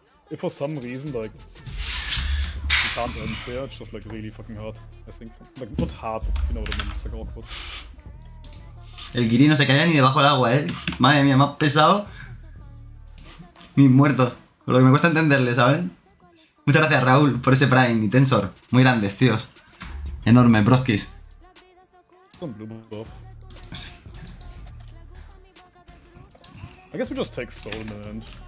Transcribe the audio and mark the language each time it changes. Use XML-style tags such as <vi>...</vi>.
<en>If for some reason, like, you can't end there, it's just like really fucking hard, I think. Like, not hard, you know what I mean, it's like awkward.</en> <es>El Guiri no se cae ni debajo del agua, eh. Madre mía, me ha pesado. Ni muerto. Lo que me cuesta entenderle, ¿sabes? Muchas gracias, Raúl, por ese Prime y Tensor. Muy grandes, tíos. Enorme, broskis.</es> <en>I guess we just take soul in the end.</en>